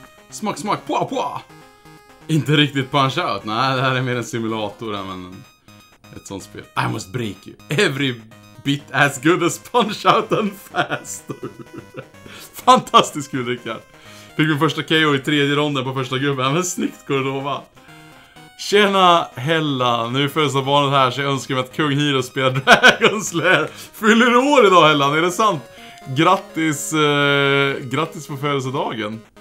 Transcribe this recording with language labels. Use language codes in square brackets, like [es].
[sv] Smack, smack, poa, poa! Inte riktigt punch out. Nej, det här är mer en simulator än en... ett sånt spel. [en] I must break you. Every bit as good as punch out and faster. [sv] Fantastiskt kul, Rickard. Fick min första KO i tredje ronden på första gubben. Men snyggt, går det lova. Tjena, Hella. Nu är födelsedagsbarnet här, så jag önskar mig att Kung Hiro spelar Dragon Slayer. Fyller år idag, Hella. Är det sant? Grattis, grattis på födelsedagen.